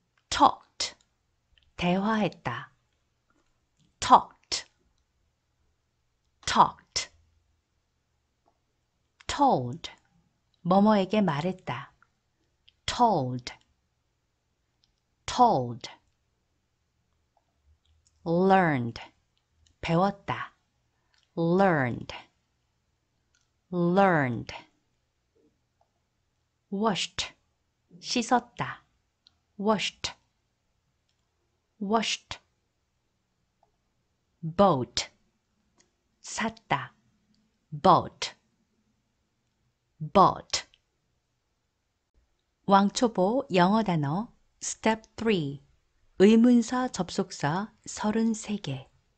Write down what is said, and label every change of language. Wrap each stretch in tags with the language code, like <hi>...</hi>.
<en>Talked,</en> <ko>대화했다.</ko> <en>Talked, talked.</en> <ko>Told, 뭐뭐에게 말했다.</ko> <en>Told. Told, learned,</en> <ko>배웠다,</ko> <en>learned, learned, washed,</en> <ko>씻었다,</ko> <en>washed, washed, boat,</en> <ko>샀다,</ko> <en>bought, bought.</en> <ko>왕초보 영어 단어 Step 3. 의문사 접속사 33개.</ko>